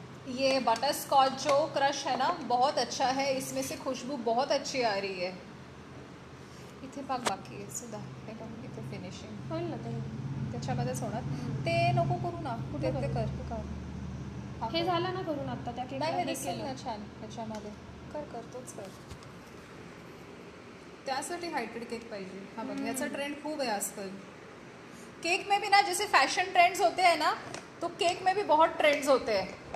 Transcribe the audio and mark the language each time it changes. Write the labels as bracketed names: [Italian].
[Hindi] ये butter scotch जो crush है ना बहुत अच्छा है, इसमें से खुशबू बहुत अच्छी आ रही है। [Marathi] इथे पाक बाकी आहे सुद्धा एकदम इथे फिनिशिंग होईल ना ते त्याच्यामध्येच होणार। ते नको करू ना कुठे ते कर हे झालं ना करून आत्ता त्या केकला हे दिसेल ना छान त्याच्यामध्ये कर कर तोच कर। त्यासाठी हायड्रेट केक पाहिजे। हा बघ याचा ट्रेंड खूप आहे [Hindi] आजकल केक में भी ना, जैसे फॅशन ट्रेंड्स होते हैं ना तो केक में भी बहुत ट्रेंड्स होते हैं।